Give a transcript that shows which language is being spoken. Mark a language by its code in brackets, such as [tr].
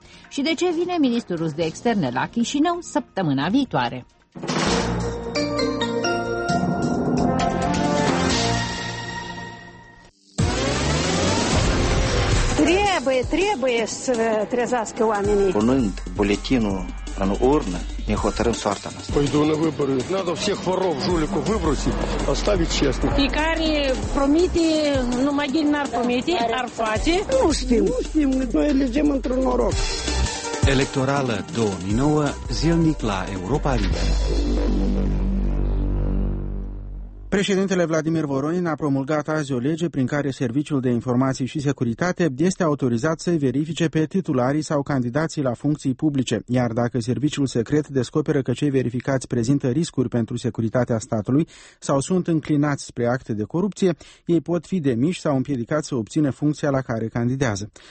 [ro] Și de ce vine ministrul rus de externe la Chișinău săptămâna viitoare? Trebuie să trezească oamenii. Punând buletinul în urnă, ne hotărâm soarta noastră. Păi, doamne, vă [ru] надо всех воров, жуликов выбросить, оставить честных. [ro] Fiecare promite, numai din n-ar promite, ar face. Nu știm, nu știm, noi legem într-un noroc. Electorală 2009, zilnic la Europa Liberă. Președintele Vladimir Voronin a promulgat azi o lege prin care Serviciul de Informații și Securitate este autorizat să-i verifice pe titularii sau candidații la funcții publice, iar dacă Serviciul Secret descoperă că cei verificați prezintă riscuri pentru securitatea statului sau sunt înclinați spre acte de corupție, ei pot fi demiși sau împiedicați să obțină funcția la care candidează.